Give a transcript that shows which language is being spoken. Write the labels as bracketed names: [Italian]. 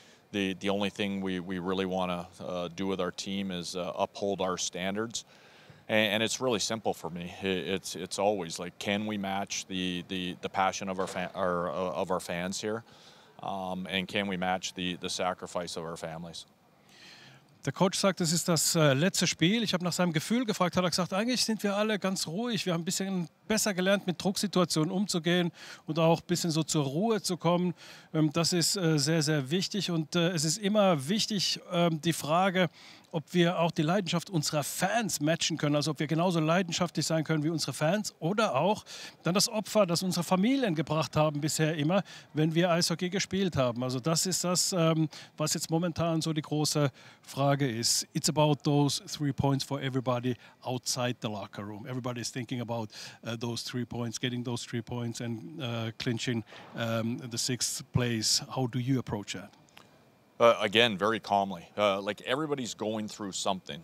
[English] The only thing we really want to do with our team is uphold our standards. And it's really simple for me. It's always like, can we match the passion of our fans here? And can we match the sacrifice of our families? [German] Der Coach sagt, das ist das letzte Spiel. Ich habe nach seinem Gefühl gefragt, hat er gesagt, eigentlich sind wir alle ganz ruhig. Wir haben ein bisschen besser gelernt, mit Drucksituationen umzugehen und auch ein bisschen so zur Ruhe zu kommen. Das ist sehr, sehr wichtig. Und es ist immer wichtig, die Frage, ob wir auch die Leidenschaft unserer Fans matchen können. Also ob wir genauso leidenschaftlich sein können wie unsere Fans oder auch dann das Opfer, das unsere Familien gebracht haben bisher immer, wenn wir Eishockey gespielt haben. Also das ist das, was jetzt momentan so die große Frage ist. [English] It's about those 3 points for everybody outside the locker room. Everybody is thinking about those 3 points, getting those 3 points and clinching the sixth place. How do you approach that? Again, very calmly. Like everybody's going through something.